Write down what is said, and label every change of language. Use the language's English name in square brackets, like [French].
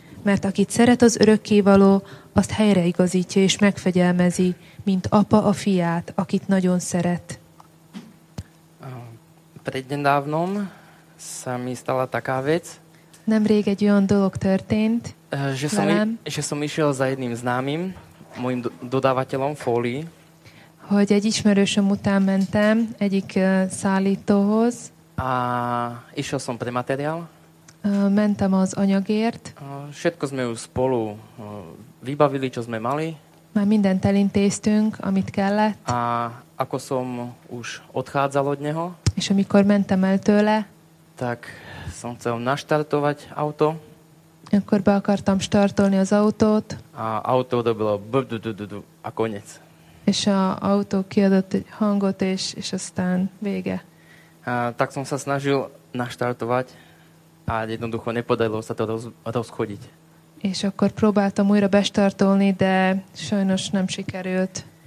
[Hungarian] Mert akit szeret az örökkévaló, azt helyreigazítja és megfegyelmezi, mint apa a fiát, akit nagyon szeret. [Slovak] Prednedávnom sa mi stala taká vec. [Hungarian] Nemrég egy olyan dolog történt velem. [Slovak] Že som išiel za jedným známym, môjim dodávateľom fólií. [Hungarian] Hogy egy ismerősöm után mentem egyik szállítóhoz. [Slovak] A išiel som pre materiál. [Hungarian] Mentem az anyagért. [Slovak] Všetko sme už spolu vybavili, čo sme mali. [Hungarian] Már mindent elintéztünk, amit kellett. [Slovak] A ako som už odchádzal od neho. [Hungarian] És amikor mentem el tőle. [Slovak] Tak som chcel naštartovať auto. [Hungarian] Akkor be akartam startolni az autót. [Slovak] A auto dobilo brdududududu a koniec. [Hungarian] És a autó kiadott egy hangot, és aztán vége. [Slovak] Tak som sa snažil naštartovať a jednoducho nepodarilo sa to rozchodiť. [Hungarian] És akkor próbáltam újra bestartolni, de sajnos nem sikerült.